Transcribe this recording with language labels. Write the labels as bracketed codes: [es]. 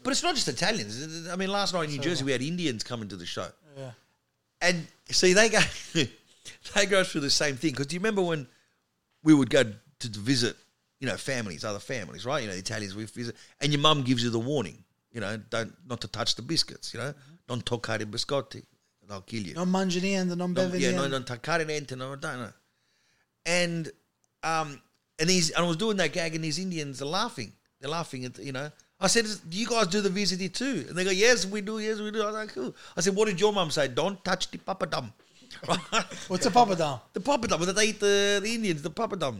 [en] But it's not just Italians. I mean, last night in New Jersey, we had Indians coming to the show. Yeah. And see, they go through the same thing. Because do you remember when we would go to visit, you know, families, other families, right? You know, the Italians we visit. And your mum gives you the warning, you know, not to touch the biscuits, you know. Mm-hmm. [it] Non toccare I biscotti. [en] They'll kill you. [it] Non mangi niente, non bevi niente. [en] Yeah, [it] non toccare niente, non donna. [en] And I was doing that gag and these Indians are laughing. They're laughing at, you know. I said, do you guys do the VCD too? And they go, yes, we do. I was like, cool. I said, what did your mum say? Don't touch the papadum. What's a papadum? The papadum. That they eat the Indians, the papadum.